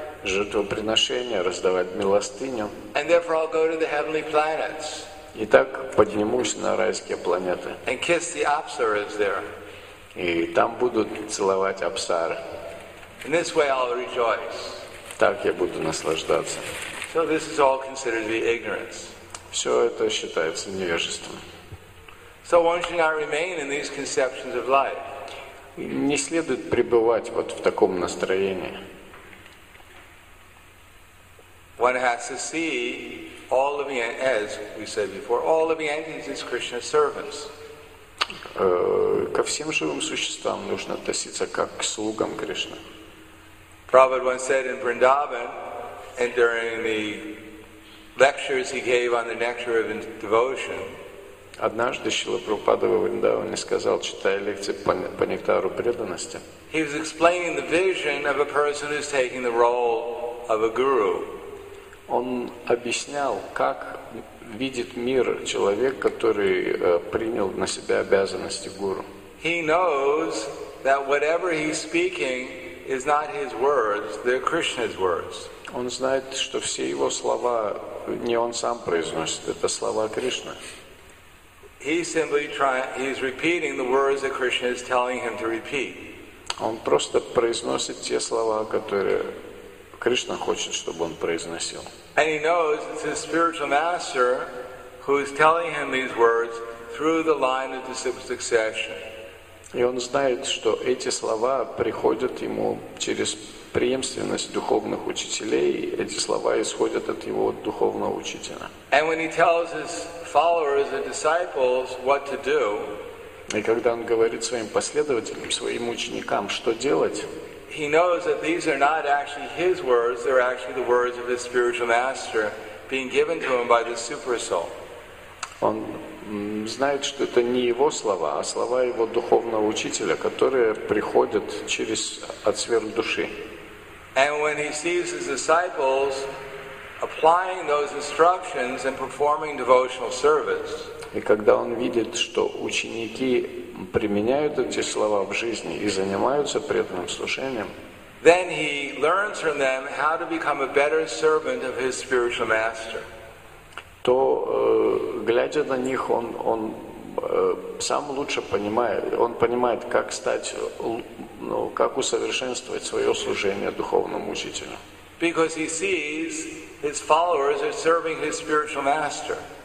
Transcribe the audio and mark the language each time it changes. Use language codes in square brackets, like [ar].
[ru] Жертвоприношения, раздавать милостыню. [en] And therefore I'll go to the heavenly planets. [ru] И так поднимусь на райские планеты. [en] And kiss the apsaras there. [ru] И там будут целовать апсары. [en] In this way I'll rejoice. [ru] Так я буду наслаждаться. [en] So this is all considered to be ignorance. [ru] Все это считается невежеством. [en] So one should not remain in these conceptions of life. [ru] не следует пребывать вот в таком настроении. [en] One has to see all living as we said before, all living entities as Krishna's servants. [ru] Ко всем живым существам нужно относиться как к слугам Кришны. [en] Prabhupada once said in Vrindavan, and during the lectures he gave on the nectar of devotion. [ru] Однажды Шрила Прабхупада во Вриндаване сказал, читая лекции по нектару преданности. [en] He was explaining the vision of a person who's taking the role of a guru. [ru] Он объяснял, как видит мир человек, который принял на себя обязанности гуру. [en] He knows that whatever he's speaking is not his words, they're Krishna's words. [ru] Он знает, что все его слова не он сам произносит, это слова Кришны. [en] He's repeating the words that Krishna is telling him to repeat. [ru] Он просто произносит те слова, которые Кришна хочет, чтобы он произносил. [en] And he knows it's his spiritual master who is telling him these words through the line of disciple succession. [ru] И он знает, что эти слова приходят ему через преемственность духовных учителей, и эти слова исходят от его духовного учителя. [en] And when he tells his followers and disciples what to do, [ru] и когда он говорит своим последователям, своим ученикам, что делать, [en] he knows that these are not actually his words, they're actually the words of his spiritual master being given to him by the super soul. [ru] Он знает, что это не его слова, а слова его духовного учителя, которые приходят через от сверхдуши. [en] And when he sees his disciples applying those instructions and performing devotional service, [ru] и когда он видит, что ученики применяют эти слова в жизни и занимаются преданным служением, [en] then he learns from them how to become a better servant of his spiritual master. [ru] То, глядя на них, он сам лучше понимает, он понимает, как стать, ну, как усовершенствовать свое служение духовному учителю. [en] Because he sees his followers are serving his spiritual master.